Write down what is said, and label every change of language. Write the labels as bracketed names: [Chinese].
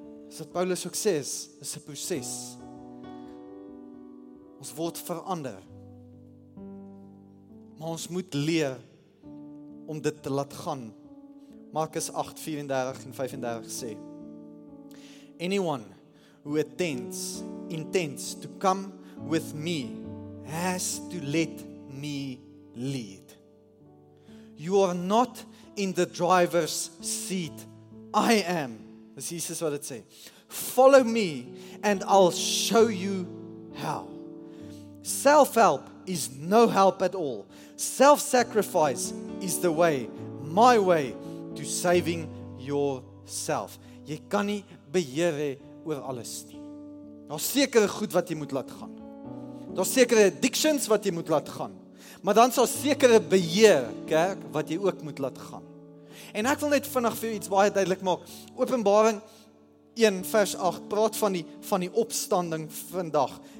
[Afrikaans] As wat Paulus ook sê, is 'n proses. Ons word verander. Maar ons moet leer om dit te laat gaan. Markus 8, 34 en 35 sê, [English] anyone who intends to come with me has to let me lead. You are not in the driver's seat. I am. [Afrikaans] Dis Jesus wat dit sê. [English] Follow me and I'll show you how. Self-help is no help at all. Self-sacrifice is the way, my way, to saving yourself. [Afrikaans] Jy kan nie beheer hê oor alles nie. Daar's sekere goed wat jy moet laat gaan. Daar's sekere addictions wat jy moet laat gaan. Maar dan sal sekere beheer, kerk, wat jy ook moet laat gaan. En ek wil net vinnig vir jou iets baie duidelik maak. Openbaring 1 vers 8 praat van die opstanding vandag.